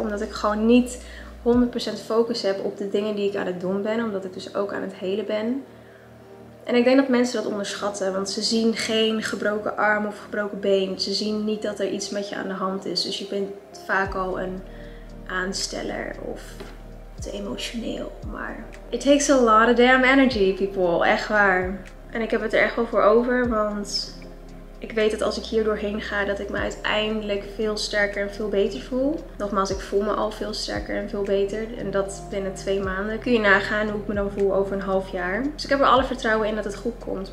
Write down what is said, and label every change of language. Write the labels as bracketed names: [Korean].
[Dutch] Omdat ik gewoon niet 100% focus heb op de dingen die ik aan het doen ben. Omdat ik dus ook aan het helen ben. En ik denk dat mensen dat onderschatten. Want ze zien geen gebroken arm of gebroken been. Ze zien niet dat er iets met je aan de hand is. Dus je bent vaak al een aansteller of te emotioneel. Maar [English] it takes a lot of damn energy, people. [Dutch] Echt waar. En ik heb het er echt wel voor over. Want ik weet dat als ik hier doorheen ga, dat ik me uiteindelijk veel sterker en veel beter voel. Nogmaals, ik voel me al veel sterker en veel beter. En dat binnen 2 maanden. Kun je nagaan hoe ik me dan voel over 1/2 jaar. Dus ik heb er alle vertrouwen in dat het goed komt.